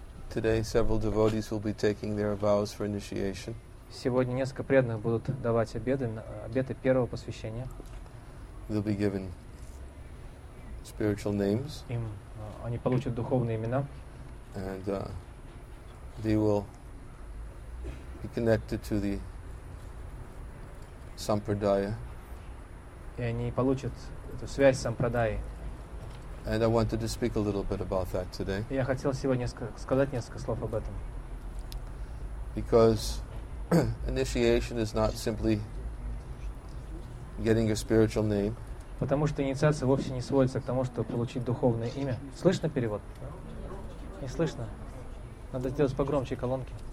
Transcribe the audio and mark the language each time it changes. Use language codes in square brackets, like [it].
[en] Today several devotees will be taking their vows for initiation. [ru] Сегодня несколько преданных будут давать обеты, обеты первого посвящения. [en] They'll be given spiritual names. [ru] Им они получат духовные имена. [en] And they will be connected to the sampradaya. [ru] И они получат эту связь с сампрадаей. [en] And I wanted to speak a little bit about that today. [ru] Я хотел сегодня сказать несколько слов об этом. [en] Because initiation is not simply getting a spiritual name. [ru] Потому что инициация вовсе не сводится к тому, чтобы получить духовное имя. Слышно перевод? Не слышно. Надо сделать погромче колонки.